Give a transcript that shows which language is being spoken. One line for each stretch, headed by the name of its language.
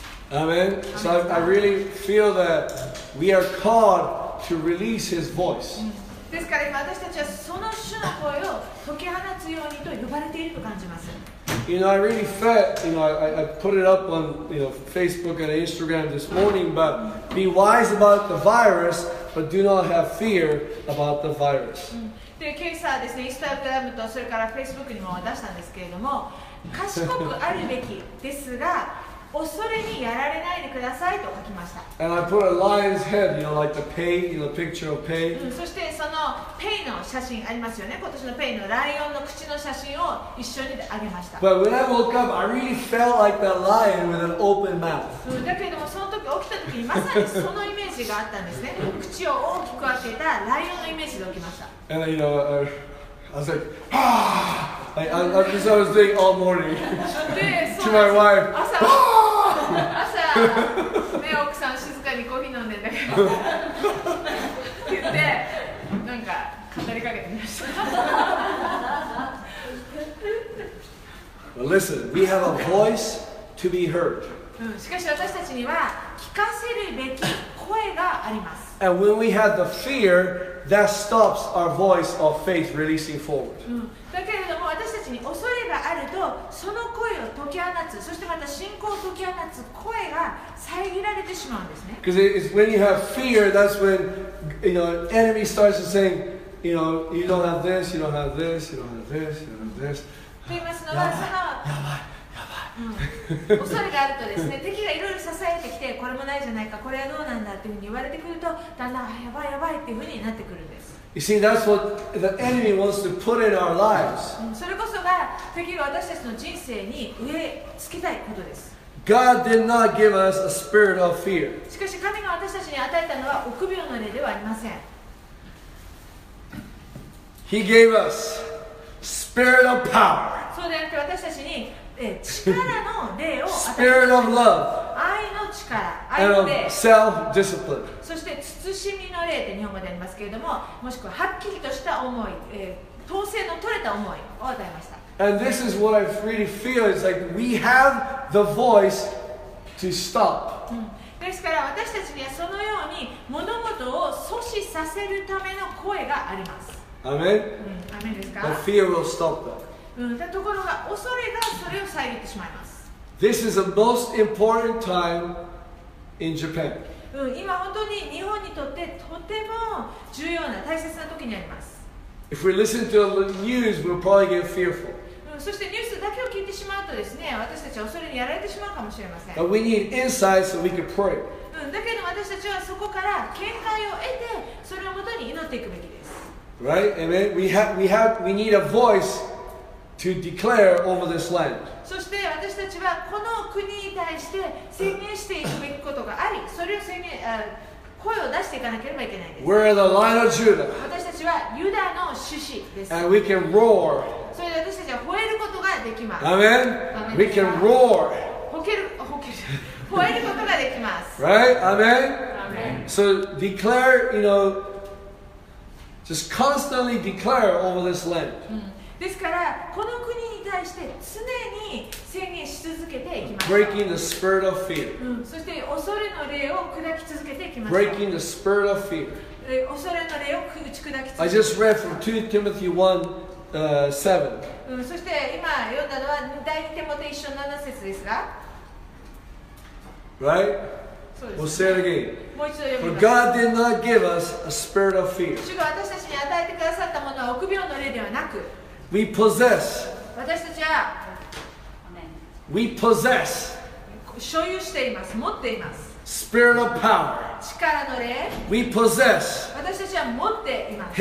English: Amen. So I really feel that we are called to release his voice.
Japanese: ですから今私たちはその主の声を解き放つようにと呼ばれていると感じます。
English: You know, I really felt, you know, I put it up on, you know, Facebook and Instagram this morning, but be wise about the virus, but do not have fear about the virus.
Japanese: で、今朝ですね、Instagram とそれから Facebook にも出したんですけれども、賢くあるべきですが、恐れにやられないでくださいと書きました。
English: And I put a lion's head, you know, like the pay, you know, picture of pay.、
Japanese: うん、そしてそのペイの写真ありますよね。今年のペイのライオンの口の写真を一緒にあげました。
English: But when I woke up, I really felt like that lion with an open mouth.、
Japanese: うん、だけれどもその時起きた時にまさにそのイメージがあったんですね。口を大きく開けたライオンのイメージで起きました。
English: And, you know, I was like, ah! I was doing all morning to my wife.
Japanese: 朝、奥さん静かにコーヒー飲んでたけど、で、なんか語りかけてみました。
English: Well, listen, we have a voice to be heard.
Japanese: しかし私たちには聞かせるべき声があります。
English: And when we have the fear, that stops our voice of faith releasing forward.
Japanese: だけれども私たちに恐れがあるとその声を解き放つそしてまた信仰を解き放つ声が遮られてしまうんですね。
English: Because it's when you have fear, that's when, you know, enemy starts to say, you know, you don't have this, you don't have this, you don't have this, you don't have this.
Japanese: と言いますのはその、やばい、うん、恐れがあるとですね、敵がいろいろ支えてきてこれもないじゃないか、これはどうなんだっていうふうに言われてくるとだんだんやばいやばいっていうふうになってくるんです。
English: You see, that's what the enemy wants to put in our lives.
Japanese: それこそが敵が私たちの人生に植え付けたいことです。
English: God did not give us a spirit of fear.
Japanese: しかし神が私たちに与えたのは臆病の霊ではありません。
English: He gave us spirit of power.
Japanese: そうであって私たちに力の霊を与えました。
English: Spirit of love.
Japanese: 愛の力、愛の霊。
English: And of self-discipline.
Japanese: そして慎みの霊って日本語でありますけれども、もしくははっきりとした思い、統制の取れた思いを与えました。
English: And this is what I really feel is like we have the voice to stop.、
Japanese: うん、ですから私たちにはそのように物事を阻止させるための声があります。
English: Amen?、
Japanese: うん、Amen ですか?
English: But fear will stop that.、
Japanese: うん、ところが恐れがそれを遮ってしまいます。
English: This is the most important time in Japan.
Japanese: うん、今本当に日本にとってとても重要な大切な時にあります。
English: If we listen to the news, we'll probably get fearful.、
Japanese: うん、そしてニュースだけを聞いてしまうとですね、私たちは恐れにやられてしまうかもしれません。
English: But we need insight so we can pray.、
Japanese: うん、だけど私たちはそこから見解を得て、それをもとに祈っていくべきです。
English: Right? Amen? We need a voice to declare over this land.
Japanese: そして私たちはこの国に対して宣言していくべきことがあり、それを宣言、声を出していかなければいけないです。
English: We're the Lion of Judah.
Japanese: 私たちはユダの獅子です。
English: And we can roar.
Japanese: それで私たちは吠えることができます。
English: Amen. We can roar.
Japanese: 吠えることができます。
English: Right? Amen. So declare, you know, just constantly declare over this land.
Japanese: ですからこの国に対して常に宣宣言し続けていきましょう。
English: Breaking the spirit of fear、
Japanese: うん、そして恐れの霊を砕き続けていきましょう。
English: Breaking the spirit of fear、
Japanese: 恐れの霊を打ち砕き続けていきまし
English: ょう。 I just read from 2 Timothy 1 7、
Japanese: うん、そして今読んだのは第2テモテ1章7節ですが、
English: Right?
Japanese: ね、
English: We'll say it again. For God did not give us a spirit of fear.
Japanese: 主が私たちに与えてくださったものは臆病の霊ではなく、
English: We possess.
Japanese: 私たちは、
English: We possess.
Japanese: 所有しています。持っています。
English: Spirit of power.
Japanese: 力の霊。
English: We possess.
Japanese: 私たちは持っています。